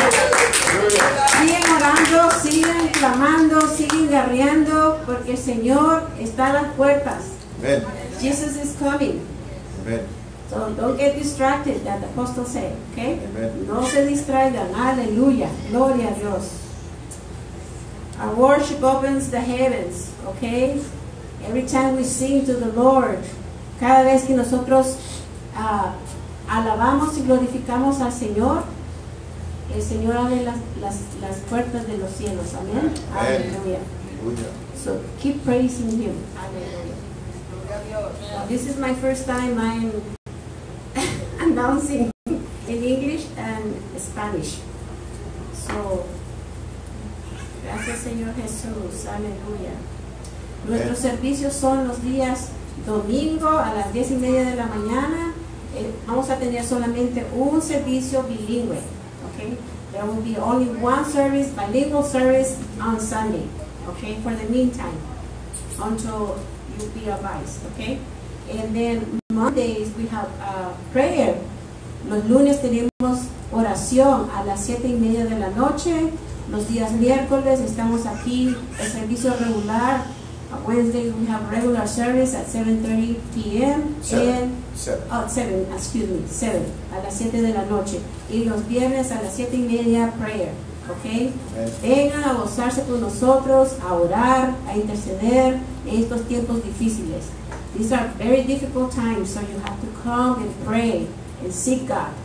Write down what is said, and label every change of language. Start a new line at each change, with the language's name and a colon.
Spanish: Siguen orando, siguen clamando, siguen guerreando, porque el Señor está a las puertas.
English: Amen. Jesus is coming. Amen. So don't get distracted, that the apostle said, okay? Amen.
Spanish: No se distraigan, aleluya, gloria a Dios.
English: Our worship opens the heavens, okay? Every time we sing to the Lord,
Spanish: cada vez que nosotros alabamos y glorificamos al Señor, el Señor abre las puertas de los cielos, amén? Amen.
English: Aleluya. So keep praising Him.
Spanish: Aleluya. Gloria a Dios.
English: So, this is my first time I'm announcing in English and Spanish.
Spanish: So, gracias, Señor Jesús. Aleluya. Nuestros servicios son los días domingo a las 10:30 de la mañana. Vamos a tener solamente un servicio bilingüe. Okay?
English: There will be only one service, bilingual service, on Sunday. Okay? For the meantime, until you be advised. Okay? And then Mondays we have prayer.
Spanish: Los lunes tenemos oración a las 7:30 de la noche. Los días miércoles estamos aquí, el servicio regular
English: Wednesday we have regular service at 7:30 p.m. Seven,
Spanish: a las 7 de la noche. Y los viernes a las 7 y media, prayer. Okay? Vengan a gozarse con nosotros, a orar, a interceder en estos tiempos difíciles.
English: These are very difficult times, so you have to come and pray and seek God.